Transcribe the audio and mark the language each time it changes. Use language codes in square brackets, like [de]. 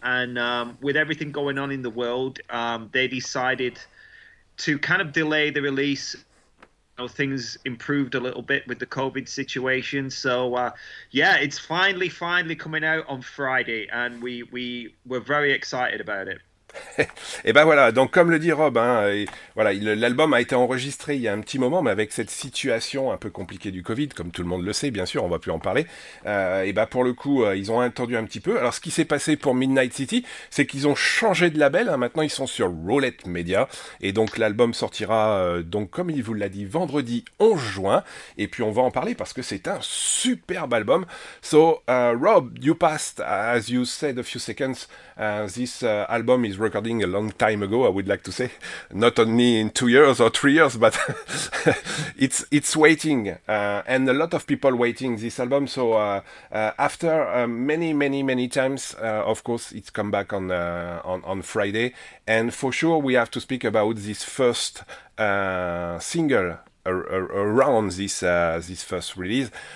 [en] And with everything going on in the world, they decided to kind of delay the release. Oh, things improved a little bit with the COVID situation, so yeah, it's finally coming out on Friday, and we were very excited about it. [fr] Et ben voilà, donc comme le dit Rob, hein, voilà, l'album a été enregistré il y a un petit moment, mais avec cette situation un peu compliquée du Covid, comme tout le monde le sait, bien sûr, on va plus en parler. Et ben pour le coup, ils ont attendu un petit peu. Alors ce qui s'est passé pour Midnight City, c'est qu'ils ont changé de label. Hein, maintenant ils sont sur Roulette Media, et donc l'album sortira donc comme il vous l'a dit vendredi 11 juin. Et puis on va en parler parce que c'est un superbe album. [en] So Rob, you passed as you said a few seconds. This album is recording a long time ago, I would like to say, not only in 2 years or 3 years, but it's waiting, and a lot of people waiting this album. So after many times, of course, it's come back on Friday, and for sure we have to speak about this first single around this first release.